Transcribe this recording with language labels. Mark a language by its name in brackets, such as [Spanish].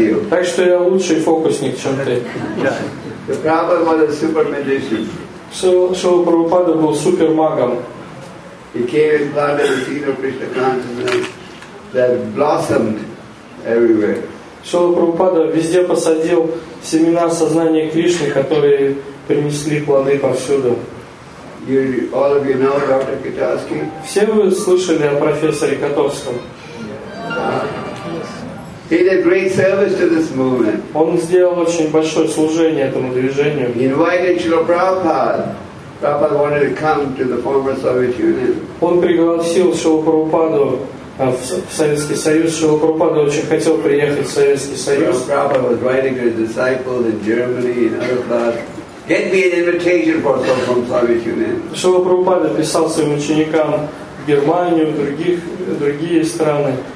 [Russian] Так что я лучший фокусник, чем ты. [English] The Prabhupada was a super magician. [Russian] Шрила Прабхупада был супер магом. [English] He came and planted the seed of Krishna consciousness that blossomed everywhere. [Russian] Шрила Прабхупада везде посадил семена сознания Кришны, которые принесли плоды повсюду. [English] All of you know Dr. Katowski? [Russian] Все вы слышали о профессоре Котовском? [English] He did great service to this movement. [Russian] Он сделал очень большое служение этому движению. [English] He invited Shrila Prabhupada. Prabhupada wanted to come to the former Soviet Union. [Russian] Он пригласил Шрилу Прабхупаду в Советский Союз. Шрила Прабхупада очень хотел приехать в Советский Союз. [English] Prabhupada was writing to his disciples in Germany and other places. Get me an invitation for some from Soviet Union. [Russian] Шрила Прабхупада писал своим ученикам в Германию, другие страны.